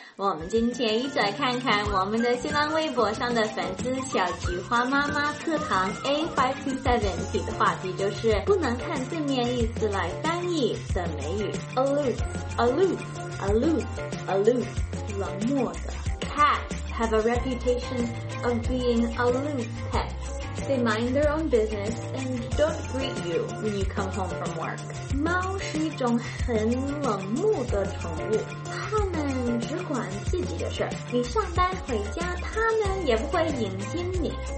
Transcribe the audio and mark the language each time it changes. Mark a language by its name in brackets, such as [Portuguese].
[Chinese] 我们今天一起来看看我们的新浪微博上的粉丝小菊花妈妈课堂 A527 提的话题，就是不能看字面意思来翻译的美语 aloof 冷漠的。 [English] Cats have a reputation of being aloof petsThey mind their own business and don't greet you when you come home from work. [Chinese] 猫是一种很冷漠的宠物，它们只管自己的事，你上班回家它们也不会迎接你。